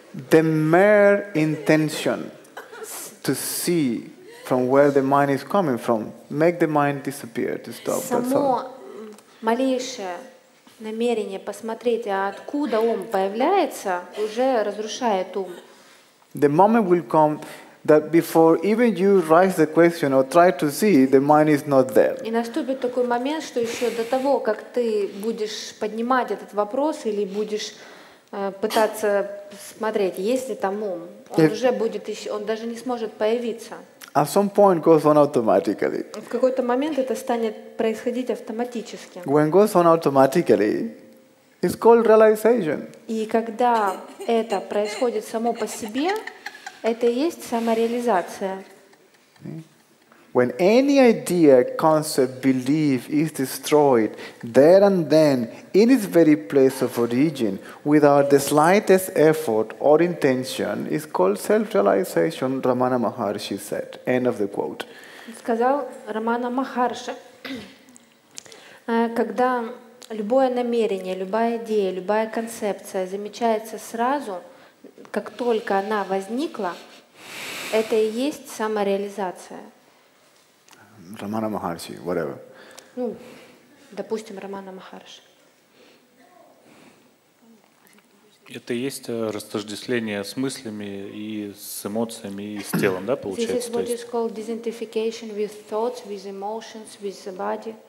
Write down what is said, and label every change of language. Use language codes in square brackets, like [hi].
[en] The mere intention to see from where the mind is coming from make the mind disappear to stop. That's all. [ru] Малейшее намерение посмотреть, а откуда ум появляется, уже разрушает ум. [en] The moment will come that before even you raise the question or try to see, the mind is not there. [ru] И наступит такой момент, что еще до того, как ты будешь поднимать этот вопрос или будешь пытаться смотреть, есть ли там ум, он даже не сможет появиться. [en] At some point goes on automatically. [ru] В какой-то момент это станет происходить автоматически. [en] When goes on automatically, it's called realization. [ru] И когда это происходит само по себе, это и есть самореализация. [en] When any idea, concept, belief is destroyed there and then in its very place of origin without the slightest effort or intention is called self-realization, Ramana Maharshi said. End of the quote. [ru] Сказал Рамана Махарши, когда любое намерение, любая идея, любая концепция замечается сразу, как только она возникла, это и есть самореализация. [en] Рамана Махарши, whatever. [ru] Ну, допустим, Рамана Махарши. Это и есть растождествление с мыслями и с эмоциями и с телом, да, получается? [en] This is what is called disidentification with thoughts, with emotions, with the body.